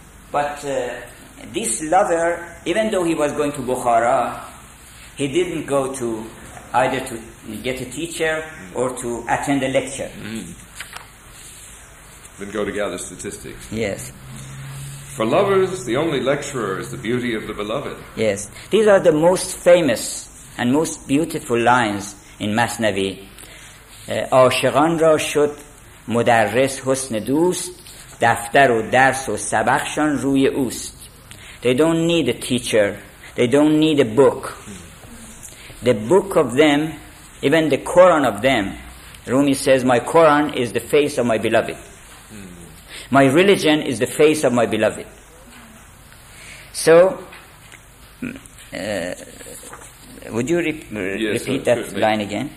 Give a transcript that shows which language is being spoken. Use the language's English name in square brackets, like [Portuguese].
[English] But this lover, even though he was going to Bukhara, he didn't go to either to get a teacher or to attend a lecture. Then go to gather statistics. Yes. For lovers, the only lecturer is the beauty of the beloved. Yes. These are the most famous and most beautiful lines in Masnavi. [Persian] عاشقان را شد مدرس حسن دوست دفتر و درس و سبقشان روی اوست. [English] They don't need a teacher. They don't need a book. The book of them, even the Quran of them, Rumi says, my Quran is the face of my beloved. My religion is the face of my beloved. So, would you repeat that line again?